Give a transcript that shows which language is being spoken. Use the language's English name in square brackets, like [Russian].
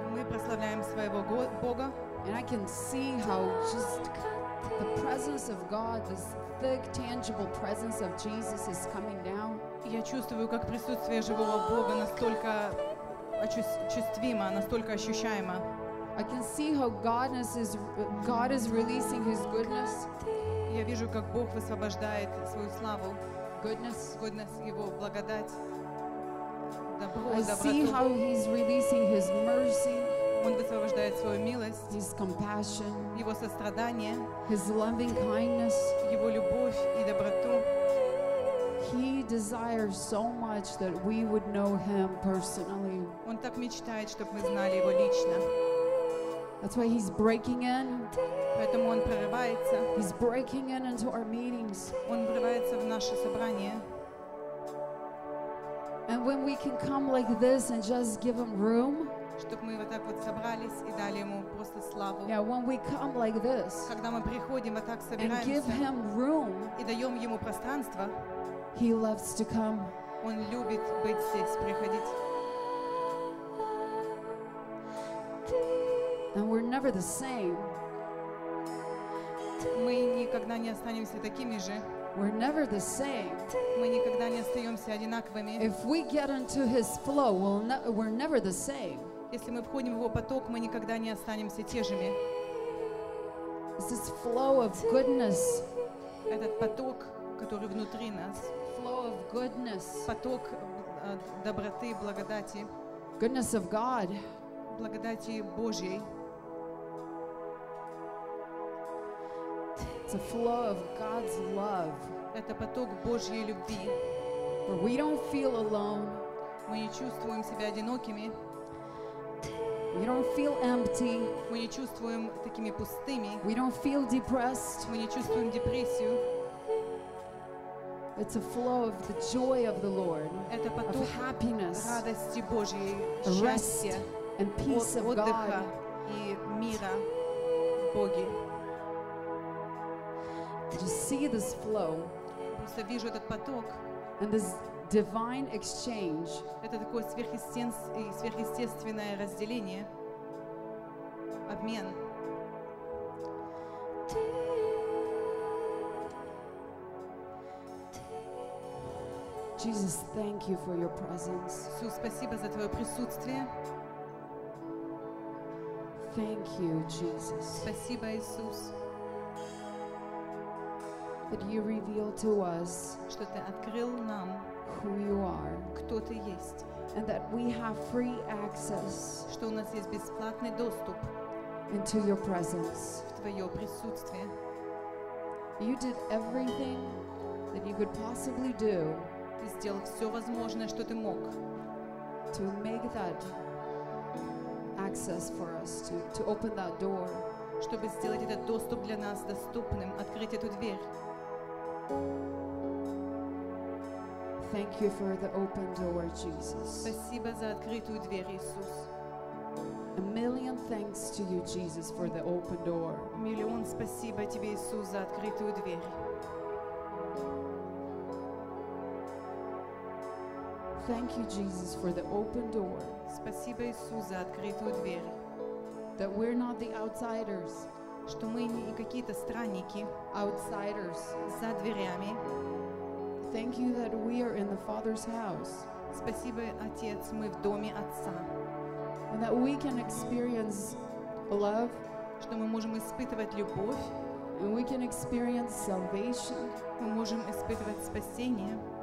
[Russian] Мы прославляем своего Бога. [English] And I can see how just the presence of God, this thick, tangible presence of Jesus is coming down. [Russian] Я чувствую, как присутствие живого Бога настолько чувствимо, настолько ощущаемо. [English] I can see how God is releasing His goodness. [Russian] Я вижу, как Бог высвобождает свою славу. [English] Goodness, goodness, [Russian] Его благодать. Добро, [English] I see how He's releasing His mercy. [Russian] Он высвобождает свою милость. [English] His compassion. [Russian] Его сострадание. [English] His loving kindness. [Russian] Его любовь и доброту. [English] He desires so much that we would know Him personally. [Russian] Он так мечтает, чтобы мы знали Его лично. [English] That's why He's breaking in. [Russian] Поэтому Он прорывается. [English] He's breaking in into our meetings. [Russian] Он врывается в наши собрания. [English] And when we can come like this and just give Him room, [Russian] чтобы мы вот так вот собрались и дали ему просто славу. [English] Yeah, when we come like this, [Russian] когда мы приходим вот так собираемся [English] and give him room, [Russian] и даем ему пространство, [English] he loves to come. [Russian] Он любит быть здесь, приходить. [English] And we're never the same. [Russian] Мы никогда не останемся такими же. [English] We're never the same. [Russian] Мы никогда не остаемся одинаковыми. [English] If we get into his flow, we're never the same. [Russian] Если мы входим в его поток, мы никогда не останемся те же. [English] This flow of goodness. [Russian] Этот поток, который внутри нас. [English] Flow of goodness. [Russian] Поток доброты, благодати. [English] Goodness of God. [Russian] Благодати Божьей. [English] It's a flow of God's love. [Russian] Это поток Божьей любви. [English] Where we don't feel alone. [Russian] Мы не чувствуем себя одинокими. [English] We don't feel empty. [Russian] Мы не чувствуем такими пустыми. [English] We don't feel depressed. [Russian] Мы не чувствуем депрессию. [English] It's a flow of the joy of the Lord. [Russian] Это поток [English] of happiness, [Russian] радости Божьей, [English] rest [Russian] счастья, [English] and peace of God. [Russian] Отдыха и мира в Боге. [English] To see this flow, [Russian] просто вижу этот поток, [English] and this divine exchange, [Russian] это такое сверхъестественное разделение, обмен. [English] Jesus, thank you for your presence. [Russian] Иисус, спасибо за твое присутствие. [English] Thank you, Jesus. [Russian] Спасибо, Иисус. [English] That you reveal to us [Russian] что ты открыл нам [English] who you are, [Russian] кто ты есть, [English] and that we have free access [Russian] что у нас есть бесплатный доступ [English] into your presence [Russian] в твое присутствие. [English] You did everything that you could possibly do [Russian] ты сделал все возможное, что ты мог [English] to make that access for us to open that door [Russian] чтобы сделать этот доступ для нас доступным, открыть эту дверь. [English] Thank you for the open door, Jesus. [Russian] Спасибо за открытую дверь, Иисус. [English] A million thanks to you, Jesus, for the open door. [Russian] Миллион спасибо тебе, Иисус, за открытую дверь. [English] Thank you, Jesus, for the open door. [Russian] Спасибо, Иисус, за открытую дверь. [English] That we're not the outsiders. [Russian] Что мы не какие-то странники [English] outsiders. [Russian] За дверями. [English] Thank you that we are in the Father's house. [Russian] Спасибо, Отец, мы в доме Отца. [English] And that we can experience love. [Russian] Что мы можем испытывать любовь. [English] And we can experience salvation. [Russian] Мы можем испытывать спасение.